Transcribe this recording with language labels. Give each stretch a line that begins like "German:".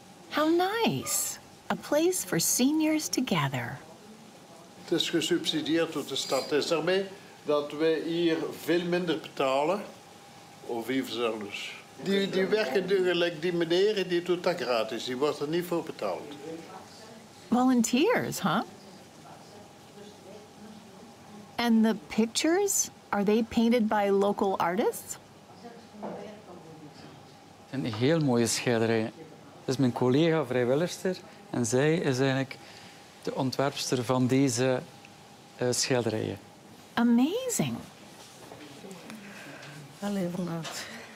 English: How nice. A place for seniors to gather.
Dutch: Het is gesubsidieerd door de stad. Het is ermee dat wij hier veel minder betalen. Of even zelfs. Die werken natuurlijk, die meneer, die doet dat gratis. Die wordt er niet voor betaald.
English: Volunteers, huh? And the pictures, are they painted by local artists?
Dutch: Een heel mooie schilderij. Dat is mijn collega vrijwilligster en zij is eigenlijk de ontwerpster van deze schilderijen.
English: Amazing.
Dutch: Allee, vanuit.